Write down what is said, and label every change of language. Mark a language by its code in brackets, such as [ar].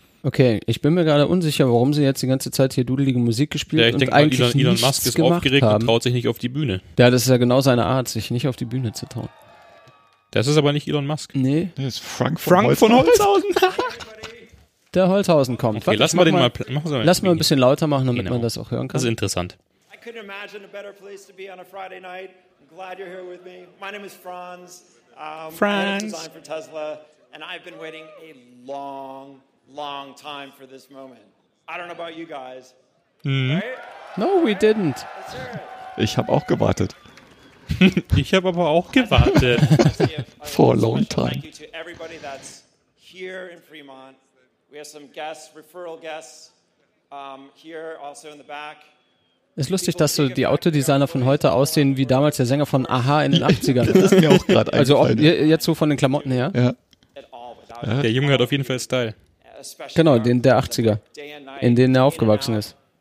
[de] Okay, ich bin mir gerade unsicher, warum sie jetzt die ganze Zeit hier dudelige Musik gespielt und eigentlich nichts gemacht haben. Ja, ich denke, Elon Musk ist aufgeregt und traut sich nicht auf die Bühne. Ja, das ist ja genau seine Art, sich nicht auf die Bühne zu trauen. Das ist aber nicht Elon Musk. Nee. Das ist Frank von Holzhausen. Der Holzhausen kommt. Okay, lass mal ein bisschen lauter machen, damit man das auch hören kann. Das ist interessant. [en] I couldn't imagine a better place to be on a Friday night. I'm glad you're here with me. My name is Franz. Franz. I'm a designer for Tesla and I've been waiting a long time for this moment. I don't know about you guys. Mm. Right? No, we didn't. [de] Ich habe auch gewartet. Ich habe aber auch gewartet. [en] For a long time. Thank you to everybody that's here in Fremont. We have some guests, referral guests here also in the back. [de] Ist lustig, dass so die Autodesigner von heute aussehen wie damals der Sänger von Aha in den 80ern. Das ist mir auch gerade eingefallen. Also jetzt so von den Klamotten her. Ja. Der Junge hat auf jeden Fall Style. Genau, der 80er, in denen er aufgewachsen ist.